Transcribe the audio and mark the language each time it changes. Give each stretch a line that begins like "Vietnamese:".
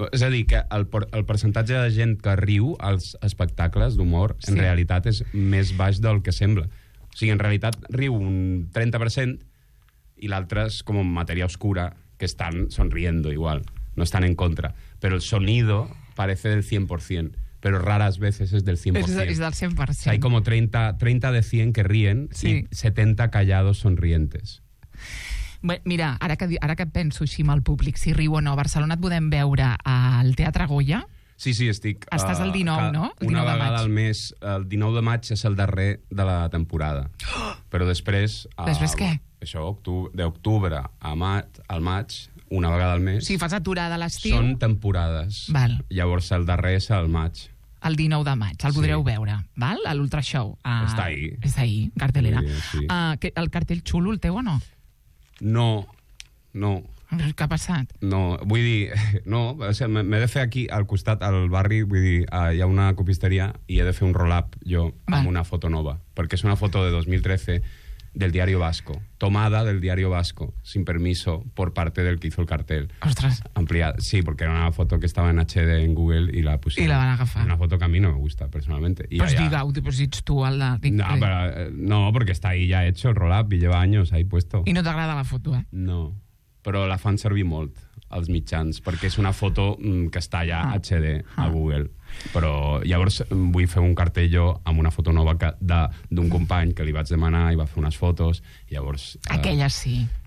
Catalan: És a dir, que el percentatge de gent que riu als espectacles d'humor, sí, en realitat és més baix del que sembla. O sigui, en realitat riu un 30% i l'altre és com en matèria oscura, que estan sonriendo igual, no estan en contra. Però
Spanish: el sonido parece
Catalan: del 100%, però rares veces és del 100%. És del 100%.
Spanish: Hay como 30 de 100 que ríen, sí, y 70 callados sonrientes.
Catalan: Mira, ara que penso així amb el públic, si riu o no, a Barcelona et podem veure al Teatre Goya? Sí, sí, estic. Estàs el 19, no? El 19 de maig. Una vegada al mes, el 19 de maig és el darrer de la temporada. Però després... Després què? Això, d'octubre al maig, una vegada al mes... Sí, fas aturada a l'estiu. Són temporades. Val. Llavors el darrer és el maig. El 19 de maig, el podreu, sí, veure, val? A l'Ultra Show. Està ahí. Està ahí, cartelera. Sí, sí. El cartell xulo, el teu o no? No, no. Què ha passat? No, vull dir, no, m'he de fer aquí al costat, al barri, vull dir, hi ha una copisteria i he de fer un roll-up jo, val, amb una foto nova, perquè és una foto de 2013 del Diario Vasco,
Spanish: tomada del Diario Vasco, sin permiso, por parte del que hizo el cartel.
Catalan: Ostres.
Spanish: Ampliada, sí, porque era una foto que estaba en HD en Google y la pusieron.
Catalan: Y la van agafar.
Spanish: Una foto que a mí no me gusta, personalmente.
Catalan: Y pues diga-ho, pues ets tu al de...
Spanish: No, pero, no, porque está ahí ya hecho el roll-up y lleva años ahí puesto.
Catalan: Y no t'agrada la foto, eh? No, pero la fan servir molt, als mitjans, perquè és una foto que està allà HD a Google. Però llavors vull fer un cartell jo amb una foto nova d'un company que li vaig demanar i va fer unes fotos. Llavors, aquella sí.